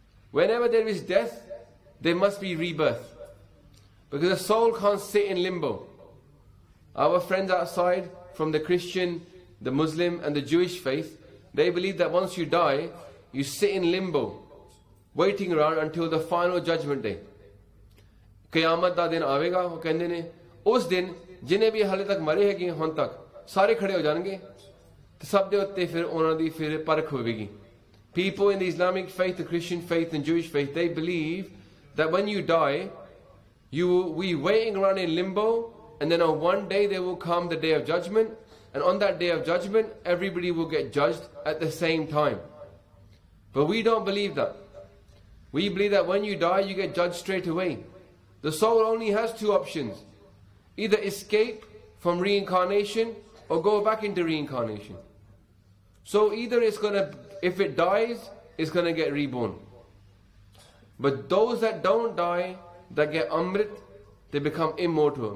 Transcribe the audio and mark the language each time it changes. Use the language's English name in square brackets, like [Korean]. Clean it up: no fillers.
[English] Whenever there is death, there must be rebirth. Because a soul can't sit in limbo. Our friends outside from the Christian, the Muslim and the Jewish faith, they believe that once you die, you sit in limbo, waiting around until the final judgment day. [Punjabi] Qayamat ਦਾ ਦਿਨ ਆਵੇਗਾ ਉਹ ਕਹਿੰਦੇ ਨੇ ਉਸ ਦਿਨ ਜਿੰਨੇ ਵੀ ਹਾਲੇ ਤੱਕ ਮਰੇ ਹੈਗੇ ਹੁਣ ਤੱਕ ਸਾਰੇ ਖੜੇ ਹੋ ਜਾਣਗੇ ਸਭ ਦੇ ਉੱਤੇ ਫਿਰ ਉਹਨਾਂ ਦੀ ਫਿਰ ਪਰਖ ਹੋਵੇਗੀ [English] People in the Islamic faith the Christian faith and Jewish faith they believe that when you die you we waiting around in limbo and then on one day they will come the day of judgement and on that day of judgement everybody will get judged at the same time but we don't believe that we believe that when you die you get judged straight away. The soul only has two options. Either escape from reincarnation or go back into reincarnation. So either it's going to, if it dies, it's going to get reborn. But those that don't die, that get amrit, they become immortal.